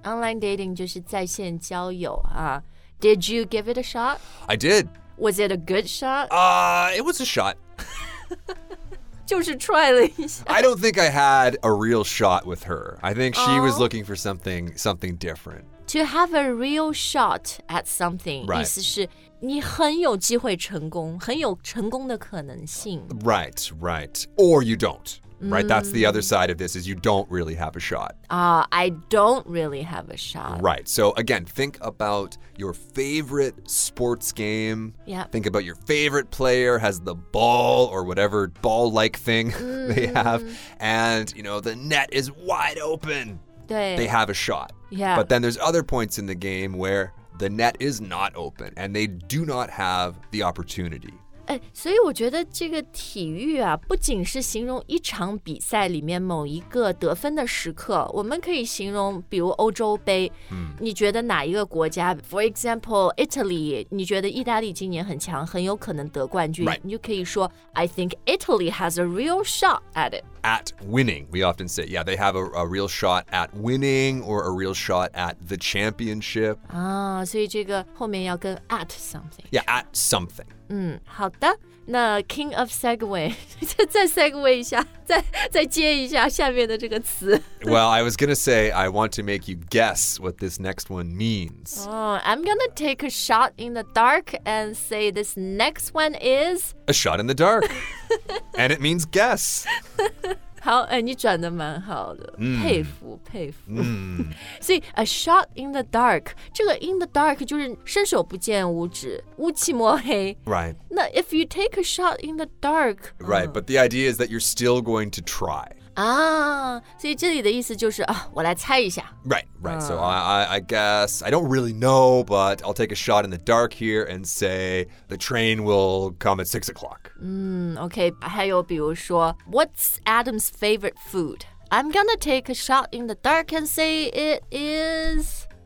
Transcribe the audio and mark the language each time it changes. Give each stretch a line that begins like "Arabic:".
English: Online dating
Chinese: 就是在线交友啊。
English: Did you give it a shot? I did. Was it a good shot? It was a shot.
Chinese: 就是 try 了一下。
English: I don't think I had a real shot with her. I think she was looking for something different. To have a real shot at something,、 right.
Chinese: 意思是你很有机会成功，很有成功的可能性。
English: Right, right. Or you don't.、Mm. Right, that's the other side of this, is you don't really have a shot. I don't really have a shot. Right, so again, think about your favorite sports game. Yeah. Think about your favorite player has the ball or whatever ball-like thing、they have. And, you know, the net is wide open. They have a shot. Yeah. But then there's other points in the game where the net is not open and they do not have the opportunity.
Chinese: 所以我觉得这个体育啊不仅是形容一场比赛里面某一个得分的时刻我们可以形容比如欧洲杯、你觉得哪一个国家
English: For example, Italy,
Chinese: 你觉得意大利今年很强很有可能得冠军、
English: right.
Chinese: 你就可以说
English: I think Italy has a real shot at it. At winning, we often say, yeah, they have a real shot at winning or a real shot at the championship.
Chinese: 所以这个后面要跟
English: at something. Yeah, at something.
Chinese: 好的。那
English: king of segue,
Chinese: 再 segue 一下再接一下下面的这个词。
English: Well, I was going to say, I want to make you guess what this next one means. I'm going to take a shot in the dark and say this next one is... A shot in the dark. And it means guess.
Chinese: 好、你转得蛮好的、佩服佩服、所以
English: a shot in the dark
Chinese: 这个 in the dark 就是伸手不见五指乌漆抹黑
English: Right 那 if you take a shot in the dark Right、but the idea is that you're still going to try
Chinese: 所以这里的意思就是、我来猜一下
English: Right right、so I guess I don't really know but I'll take a shot in the dark here and say the train will come at 6 o'clock Okay,
Chinese: 还有比如说
English: What's Adam's favorite food? I'm gonna take a shot in the dark and say it is...